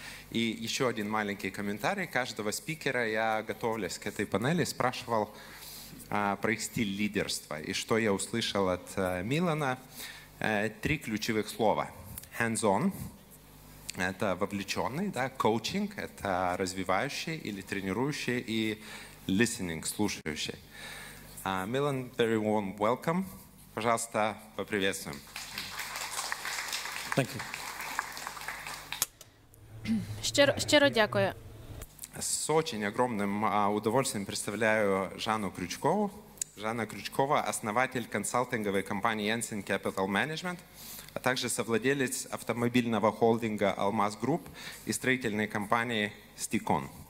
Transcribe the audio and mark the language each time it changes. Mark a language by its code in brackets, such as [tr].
[ru] И еще один маленький комментарий. Каждого спикера я, готовлюсь к этой панели, спрашивал про их стиль лидерства. И что я услышал от Милана? Три ключевых слова. [en] Hands-on [ru] – это вовлеченный, да? [en] Coaching [ru] – это развивающий или тренирующий, и [en] listening [ru] – слушающий. Милан, [en] very warm welcome. [ru] Пожалуйста, поприветствуем. [en] Thank you. [uk] Щиро дякую. [ru] С очень огромным удовольствием представляю Жанну Крючкову. Жанна Крючкова – основатель консалтинговой компании Jensen Capital Management, а также совладелец автомобильного холдинга «Алмаз Групп» и строительной компании «Стикон».